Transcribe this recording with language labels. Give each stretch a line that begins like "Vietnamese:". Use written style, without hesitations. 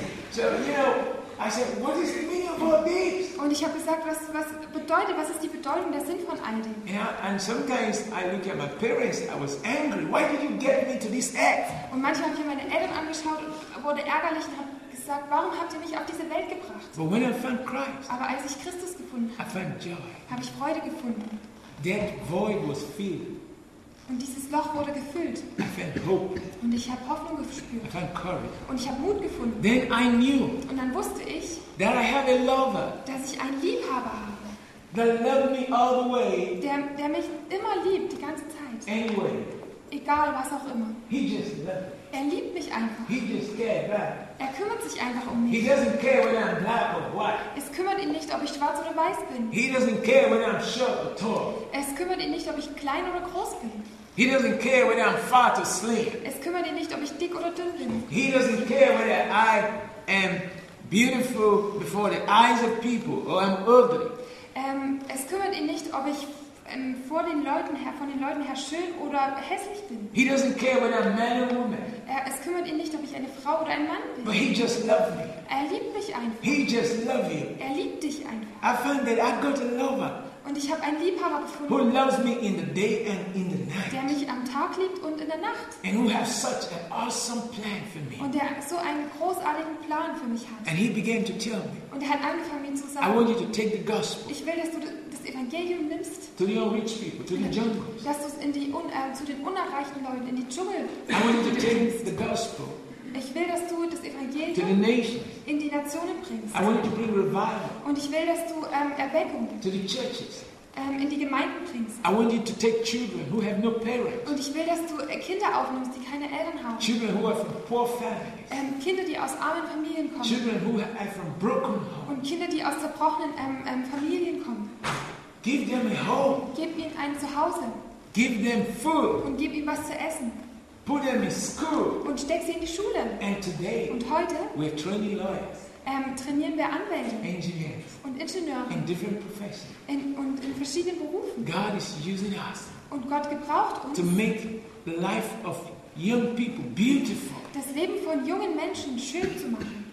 English: So, you know, I said, what is the meaning of all this?
German: Und ich habe gesagt, was bedeutet, was ist die Bedeutung, der Sinn von all dem?
English: Yeah, and sometimes I look at my parents, I was angry. Why did you get me to this act?
German: Und manchmal habe ich meine Eltern angeschaut und wurde ärgerlich und habe gesagt, warum habt ihr mich auf diese Welt gebracht?
English: But when I found Christ,
German: aber als ich Christus gefunden habe,
English: I found joy.
German: Habe ich Freude gefunden.
English: That void was filled.
German: Und dieses Loch wurde gefüllt.
English: I found hope.
German: Und ich habe Hoffnung gespürt.
English: I found courage.
German: Und ich habe Mut gefunden.
English: Then I knew.
German: Und dann wusste ich,
English: that I have a lover.
German: Dass ich einen Liebhaber habe.
English: That loved me all the way.
German: Der mich immer liebt, die ganze Zeit.
English: Anyway.
German: Egal, was auch immer.
English: He just loved me.
German: Er liebt mich einfach.
English: He just cared about.
German: Er kümmert sich einfach um mich.
English: He doesn't care whether I'm black or white.
German: Es kümmert ihn nicht, ob ich schwarz oder weiß bin.
English: He doesn't care whether I'm short or tall.
German: Es kümmert ihn nicht, ob ich klein oder groß bin.
English: He doesn't care whether I'm fat or slim.
German: Es kümmert ihn nicht, ob ich dick oder dünn bin.
English: He doesn't care whether I am beautiful before the eyes of people or I'm ugly.
German: Es kümmert ihn nicht, ob ich vor den Leuten her, von den Leuten her schön oder hässlich bin.
English: He doesn't care whether I'm man or woman.
German: Es kümmert ihn nicht, ob ich eine Frau oder ein Mann bin.
English: But he just loved me.
German: Er liebt mich einfach.
English: He just loved you.
German: Er liebt dich einfach.
English: I found that I've got a lover.
German: Und ich habe einen Liebhaber gefunden.
English: Who loves me in the day and in the night.
German: Der mich am Tag liebt und in der Nacht.
English: And who has such an awesome plan for me.
German: Und der so einen großartigen Plan für mich hat.
English: And he began to tell me.
German: Und er hat angefangen, mir zu sagen,
English: I want you to take the gospel.
German: Ich will, dass du das Evangelium nimmst.
English: To the unreached people, to the jungles.
German: Dass du es in die zu den unerreichten Leuten, in die Dschungel.
English: I want you to take the gospel.
German: Ich will, dass du das Evangelium
English: to the nations.
German: In die Nationen bringst.
English: I want you to bring revival.
German: Und ich will, dass du Erweckung
English: to the churches.
German: In die Gemeinden bringst.
English: I want you to take children who have no parents.
German: Und ich will, dass du Kinder aufnimmst, die keine Eltern haben.
English: Children who are from poor families.
German: Kinder, die aus armen Familien kommen.
English: Children who are from broken homes.
German: Und Kinder, die aus zerbrochenen Familien kommen.
English: Give them a home.
German: Gib ihnen ein Zuhause.
English: Give them food.
German: Und gib ihnen was zu essen.
English: Put them in school.
German: Und steck sie in die Schule.
English: And today,
German: und heute,
English: we're training lawyers.
German: Trainieren wir Anwälte.
English: Engineers.
German: Und Ingenieure.
English: In different professions.
German: Und in verschiedenen Berufen.
English: God is using us.
German: Und Gott gebraucht uns.
English: To make the life of young people beautiful.
German: Das Leben von jungen Menschen schön zu machen.